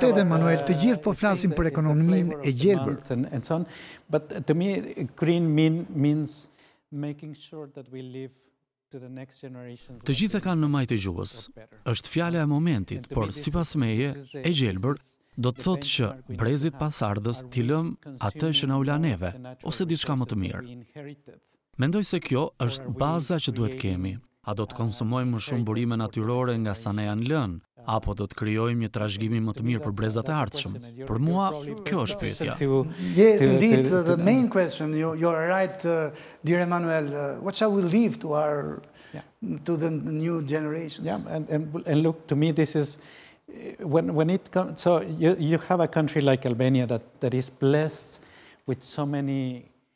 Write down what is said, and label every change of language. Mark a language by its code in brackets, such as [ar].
[sq] Vërtet, Emanuel, të gjithë po flasim për ekonominë e gjelbër. [en] But to me, green means making sure that we live to the next generations... [sq] Të gjithë kanë në majtë gjuhës. Është fjala e momentit, por sipas meje, e gjelbër do të thotë që brezit pasardhës t'i lëm atë që na ula neve, ose diçka më të mirë. Mendoj se kjo është baza që duhet kemi. A do të konsumojmë më shumë burime natyrore nga sa ne janë lënë, apo do të krijojmë një trashëgimi më të mirë për brezat e ardhshëm? Për mua, kjo është pyetja. [en] Yes, indeed, the main question, you're right, dear Emanuel, what shall we leave to our, to the new generations? Yeah, and look, to me, this is, when it comes, so you have a country like Albania that is blessed with so many...